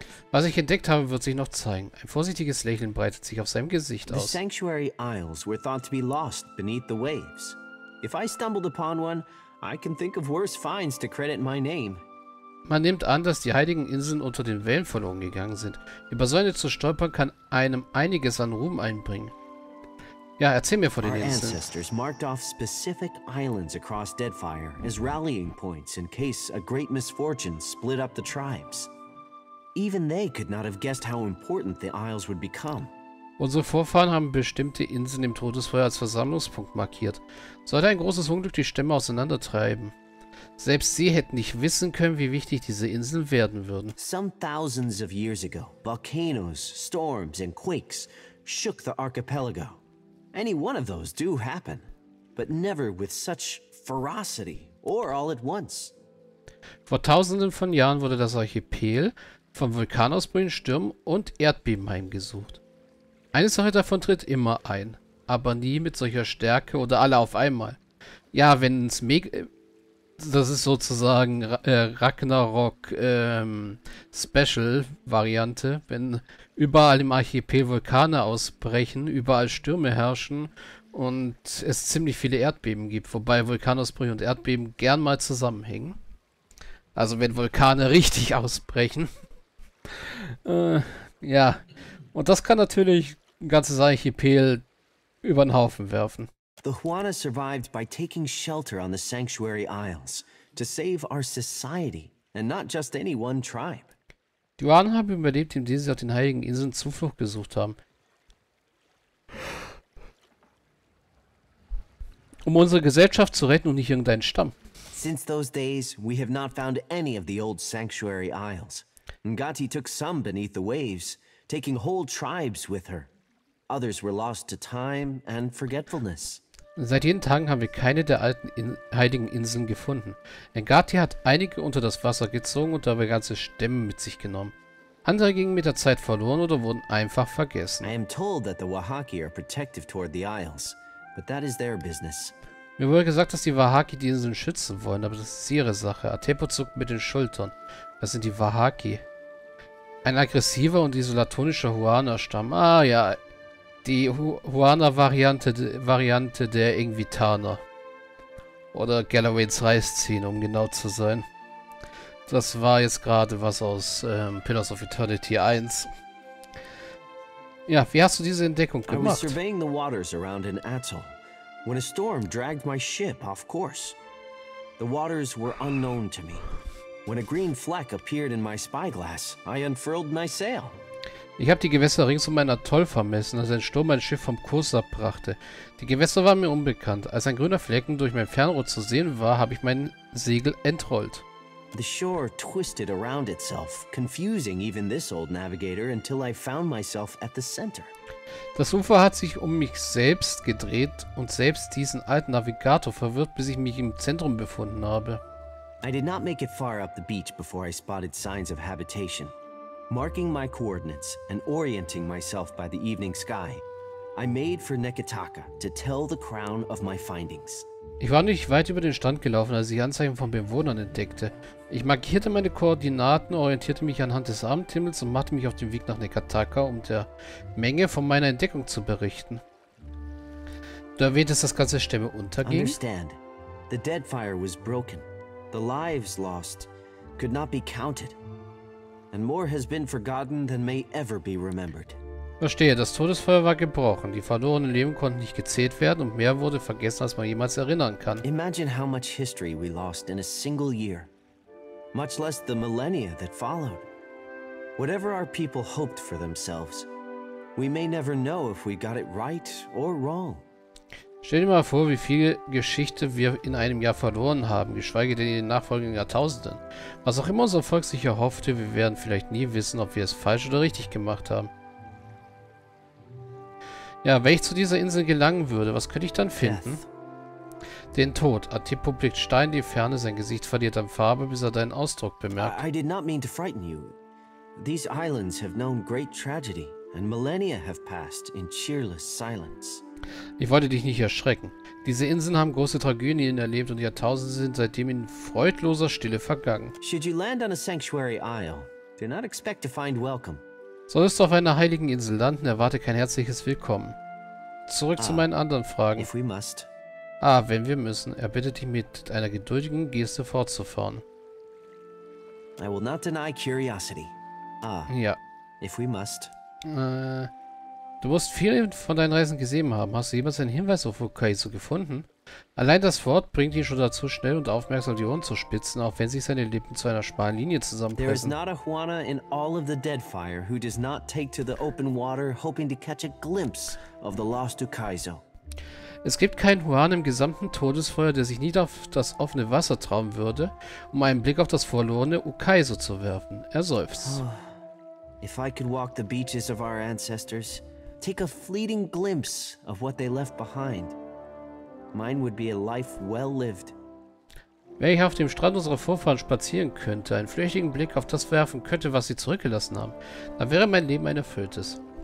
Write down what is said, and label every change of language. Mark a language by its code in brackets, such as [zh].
[de] Was ich entdeckt habe, wird sich noch zeigen. Ein vorsichtiges Lächeln breitet sich auf seinem Gesicht aus. [en] The Sanctuary Isles were thought to be lost beneath the waves. If I stumbled upon one, I can think of worse finds to credit my name. [de] Man nimmt an, dass die heiligen Inseln unter den Wellen verloren gegangen sind. Über so eine zu stolpern kann einem einiges an Ruhm einbringen. Ja, erzähl mir von den Inseln. [en] Our ancestors marked off specific islands across Deadfire as rallying points in case a great misfortune split up the tribes. Even they could not have guessed how important the isles would become. [de] Unsere Vorfahren haben bestimmte Inseln im Todesfeuer als Versammlungspunkt markiert. Sollte ein großes Unglück die Stämme auseinandertreiben. Selbst sie hätten nicht wissen können, wie wichtig diese Inseln werden würden. [en] Some thousands of years ago, volcanoes, storms and quakes shook the archipelago. Any one of those do happen, but never with such ferocity or all at once. [de] Vor tausenden von Jahren wurde das Archipel von Vulkanausbrüchen, Stürmen und Erdbeben heimgesucht. Eine Sache davon tritt immer ein, aber nie mit solcher Stärke oder alle auf einmal. Ja, wenn es das ist sozusagen Ragnarok Special Variante, wenn überall im Archipel Vulkane ausbrechen, überall Stürme herrschen und es ziemlich viele Erdbeben gibt, wobei Vulkanausbrüche und Erdbeben gern mal zusammenhängen. Also wenn Vulkane richtig ausbrechen. ja, und das kann natürlich ein ganzes Archipel über den Haufen werfen. [en] The Juana survived by taking shelter on the Sanctuary Isles to save our society and not just any one tribe. [de] Die Juana haben überlebt, indem sie auf den heiligen Inseln Zuflucht gesucht haben. Um unsere Gesellschaft zu retten und nicht irgendeinen Stamm. [en] Since those days we have not found any of the old Sanctuary Isles. Ngati took some beneath the waves, taking whole tribes with her. Others were lost to time and forgetfulness. [de] Seit jenen Tagen haben wir keine der alten heiligen Inseln gefunden. Ngati hat einige unter das Wasser gezogen und dabei ganze Stämme mit sich genommen. Andere gingen mit der Zeit verloren oder wurden einfach vergessen. [en] I am told that the Wahaki are protective toward the Isles, but that is their business. [de] Mir wurde gesagt, dass die Wahaki die Inseln schützen wollen, aber das ist ihre Sache. Atepo zuckt mit den Schultern. Das sind die Wahaki. Ein aggressiver und isolatonischer Huana-Stamm. Ah ja, die Huana-Variante der Ingvitaner. Oder Galloways Reißziehen, um genau zu sein. Das war jetzt gerade was aus Pillars of Eternity 1. Ja, wie hast du diese Entdeckung gemacht? Ich war die Wasser around in Atoll. [en] When a storm dragged my ship off course, the waters were unknown to me. When a green fleck appeared in my spyglass, I unfurled my sail. [de] Ich habe die Gewässer rings um mein Atoll vermessen, als ein Sturm mein Schiff vom Kurs abbrachte. Die Gewässer waren mir unbekannt. Als ein grüner Flecken durch mein Fernrohr zu sehen war, habe ich mein Segel entrollt. [en] The shore twisted around itself, confusing even this old navigator until I found myself at the center. [de] Das Ufer hat sich um mich selbst gedreht und selbst diesen alten Navigator verwirrt, bis ich mich im Zentrum befunden habe. [en] I did not make it far up the beach before I spotted signs of habitation. Marking my coordinates and orienting myself by the evening sky, I made for Nekitaka to tell the crown of my findings. [de] Ich war nicht weit über den Strand gelaufen, als ich Anzeichen von Bewohnern entdeckte. Ich markierte meine Koordinaten, orientierte mich anhand des Abendhimmels und machte mich auf den Weg nach Nekataka, um der Menge von meiner Entdeckung zu berichten. Du erwähntest, dass ganze Stämme untergingen. [en] Understand. The Deadfire was broken. The lives lost could not be counted. And more has been forgotten than may ever be remembered. [de] Verstehe, das Todesfeuer war gebrochen, die verlorenen Leben konnten nicht gezählt werden und mehr wurde vergessen, als man jemals erinnern kann. [en] Imagine how much history we lost in a single year, much less the millennia that followed. Whatever our people hoped for themselves, we may never know if we got it right or wrong. [de] Stell dir mal vor, wie viel Geschichte wir in einem Jahr verloren haben, geschweige denn in den nachfolgenden Jahrtausenden. Was auch immer unser Volk sich erhoffte, wir werden vielleicht nie wissen, ob wir es falsch oder richtig gemacht haben. Ja, wenn ich zu dieser Insel gelangen würde, was könnte ich dann finden? Den Tod. Atipo blickt steil in die Ferne, sein Gesicht verliert an Farbe, bis er deinen Ausdruck bemerkt. [en] I did not mean to frighten you. These islands have known great tragedy, and millennia have passed in cheerless silence. [de] Ich wollte dich nicht erschrecken. Diese Inseln haben große Tragödien erlebt und Jahrtausende sind seitdem in freudloser Stille vergangen. [en] Should you land on a sanctuary isle, do not expect to find welcome. [de] Solltest du auf einer heiligen Insel landen, erwarte kein herzliches Willkommen. Zurück zu meinen anderen Fragen. [en] If we must. [de] Ah, wenn wir müssen, er bittet dich mit einer geduldigen Geste fortzufahren. [en] I will not deny curiosity. Ah. Ja. If we must. [de] Du musst viele von deinen Reisen gesehen haben. Hast du jemals einen Hinweis auf Okaizo gefunden? Allein das Wort bringt ihn schon dazu, schnell und aufmerksam die Ohren zu spitzen, auch wenn sich seine Lippen zu einer schmalen Linie zusammenpressen. [en] There is not a Juana in all of the Deadfire who does not take to the open water, hoping to catch a glimpse of the lost Okaizo. [de] Es gibt keinen Juan im gesamten Todesfeuer, der sich nicht auf das offene Wasser trauen würde, um einen Blick auf das verlorene Okaizo zu werfen. Er seufzt. [en] If I could walk the beaches of our ancestors, take a fleeting glimpse of what they left behind, mine would be a life well lived. [de] Wenn ich auf dem Strand unserer Vorfahren spazieren könnte, einen flüchtigen Blick auf das werfen könnte, was sie zurückgelassen haben, dann wäre mein Leben ein erfülltes.